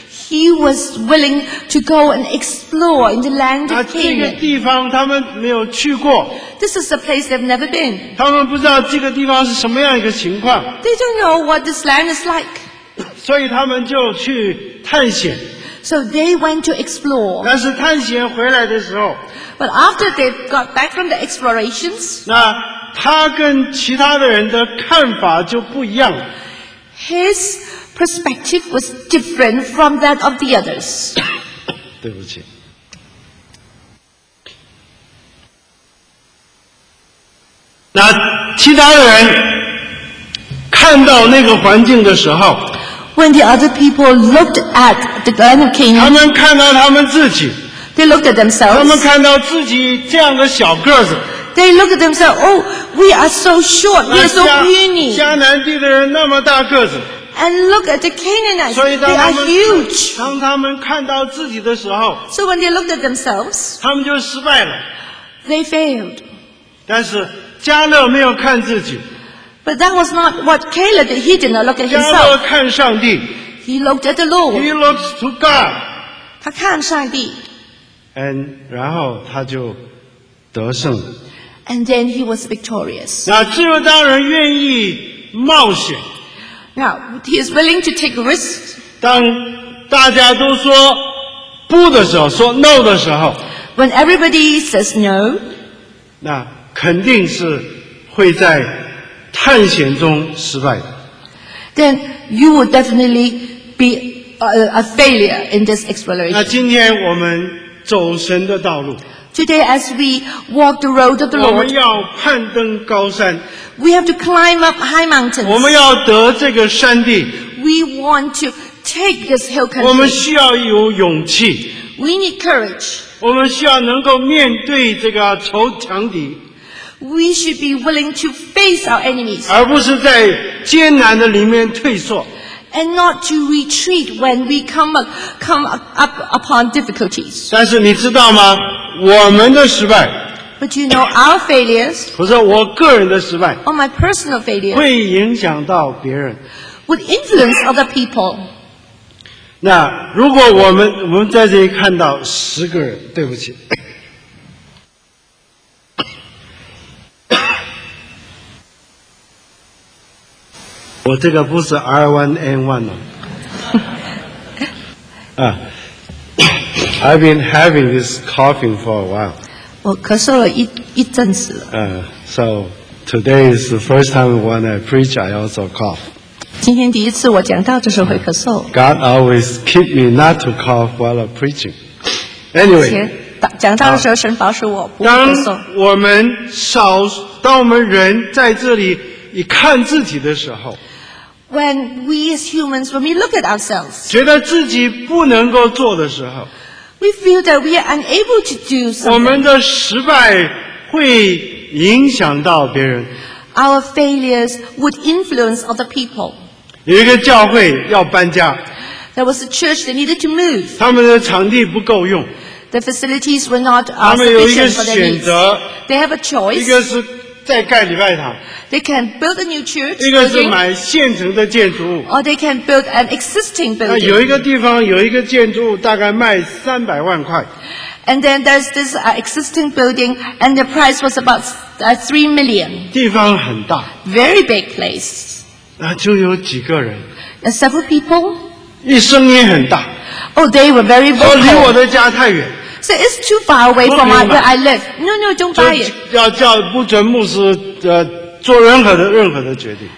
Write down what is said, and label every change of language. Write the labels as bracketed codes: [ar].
[en] He was willing to go and explore in the land of Canaan. [zh] 这个地方他们没有去过。 [en] This is a place they've never been. [zh] 他们不知道这个地方是什么样一个情况。 [en] They don't know what this land is like. [zh] 所以他们就去探险。 [en] So they went to explore. [zh] 但是探险回来的时候。 [en] But after they got back from the explorations. [zh] 那他跟其他的人的看法就不一样。 [en] His perspective was different from that of the others. [zh] 对不起。那其他的人看到那个环境的时候 [en] ，When the other people looked at the land of Canaan， [zh] 他们看到他们自己 [en] ，They looked at themselves， [zh] 他们看到自己这样的小个子。 [en] They look at themselves, oh, we are so short, we are so puny. [zh] 迦南地的人那么大个子。 [en] And look at the Canaanites, they are huge. [zh] 当他们看到自己的时候。 [en] So when they looked at themselves, [zh] 他们就失败了。 [en] They failed. [zh] 但是迦勒没有看自己。 [en] But that was not what Caleb did, he did not look at himself. [zh] 迦勒看上帝。 [en] He looked at the Lord. He looks to God. [zh] 他看上帝。 [en] And [zh] 然后他就得胜。 [en] And then he was victorious. [zh] 那自由当人愿意冒险。 [en] Now he is willing to take risks. [zh] 当大家都说不的时候，说 no 的时候。 [en] When everybody says no. [zh] 那肯定是会在探险中失败的。 [en] Then you will definitely be a failure in this exploration. [zh] 那今天我们走神的道路。 [en] Today, as we walk the road of the Lord, [zh] 我们要攀登高山。 [en] We have to climb up high mountains. [zh] 我们要得这个山地。 [en] We want to take this hill country. [zh] 我们需要有勇气。 [en] We need courage. [zh] 我们需要能够面对这个仇强敌。 [en] We should be willing to face our enemies. [zh] 而不是在艰难的里面退缩。 [en] And not to retreat when we come up upon difficulties. [zh] 但是你知道吗？我们的失败。 [en] But you know our failures. [zh] 不是我个人的失败。 [en] Or my personal failures. [zh] 会影响到别人。 [en] Would influence other people. [zh] 那如果我们在这里看到十个人，对不起，我这个不是 R1N1 啊。 [en] I've been having this coughing for a while. [zh] 我咳嗽了一阵子了。 [en] So today is the first time when I preach, I also cough. [zh] 今天第一次我讲道就是会咳嗽。 [en] God always keep me not to cough while preaching. Anyway, [zh] 讲道的时候神保守我不咳嗽。当我们人在这里一看自己的时候， [en] When we as humans, when we look at ourselves, [zh] 觉得自己不能够做的时候， [en] we feel that we are unable to do something. [zh] 我们的失败会影响到别人。 [en] Our failures would influence other people. [zh] 有一个教会要搬家。 [en] There was a church that needed to move. [zh] 他们的场地不够用。 [en] The facilities were not sufficient for their needs. [zh] 他们有一个选择。 [en] They have a choice. [zh] 一个是再盖礼拜堂。 [en] They can build a new church. [zh] 一个是买现成的建筑物。 [en] Or they can build an existing building. [zh] 有一个地方有一个建筑物大概卖300万块。 [en] And then there's this existing building, and the price was about $3 million. [zh] 地方很大。 [en] Very big place. [zh] 那就有几个人。 [en] And several people. [zh] 一声音很大。 [en] Oh, they were very vocal. [zh] 离我的家太远。 [en] So it's too far away from where I live. No, no, don't buy it. [zh] 要叫不准牧师做任何的决定。